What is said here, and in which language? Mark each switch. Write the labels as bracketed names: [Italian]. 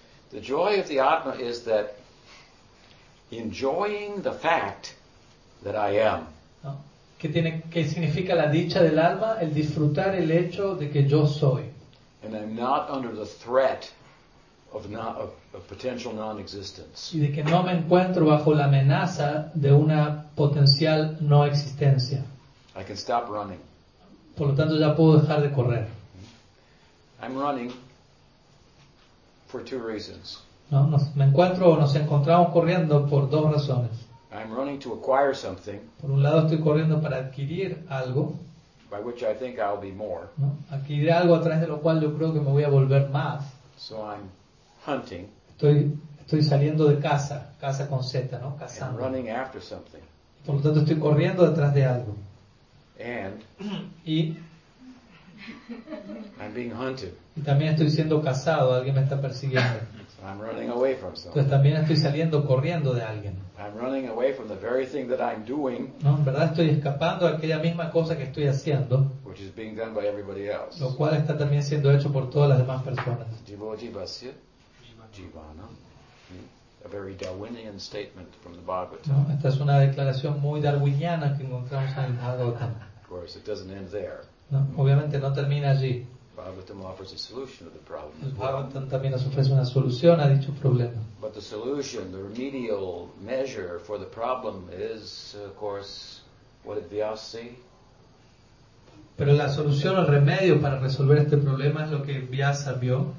[English] The joy of the Atma is that enjoying the fact that I am. [Spanish] ¿No? ¿Qué significa la dicha del alma? El disfrutar el hecho de que yo soy. [English] And I'm not under the threat of potential non-existence. [Spanish] Y de que no me encuentro bajo la amenaza de una potencial no existencia. [English] I can stop running. [Spanish] Por lo tanto, ya puedo dejar de correr. [English] I'm running for two reasons. [Spanish] No, nos encontramos corriendo por dos razones. [English] I'm running to acquire something. [Spanish] Por un lado, estoy corriendo para adquirir algo. [English] By which I think I'll be more. [Spanish] ¿No? Adquirir algo a través de lo cual yo creo que me voy a volver más. [English] So I'm hunting. [Spanish] Estoy saliendo de casa, casa con Z, ¿no? Cazando. [English] I'm running after something. [Spanish] Por lo tanto, estoy corriendo detrás de algo. [English] And I'm being hunted. [Spanish] Y también estoy siendo cazado, alguien me está persiguiendo. [English] So I'm running away from something. [Spanish] Entonces también estoy saliendo corriendo de alguien. [English] I'm running away from the very thing that I'm doing. [Spanish] No, en verdad estoy escapando de aquella misma cosa que estoy haciendo. [English] Which is being done by everybody else. [Spanish] Lo cual está también siendo hecho por todas las demás personas. [Sanskrit] Jivo jivasya jivanam. [English] A very Darwinian statement from the Bhagavatam. [Spanish] No, esta es una declaración muy darwiniana que encontramos en el Bhagavatam. [English] Of course, it doesn't end there. [Spanish] No, obviamente no termina allí. [English] Bhagavatam offers a solution to the problem. [Spanish] El Bhagavatam también nos ofrece una solución a dicho problema. [English] But the solution, the remedial measure for the problem is, of course, what did Vyasa see? [Spanish] Pero la solución, el remedio para resolver este problema es lo que Vyasa vio.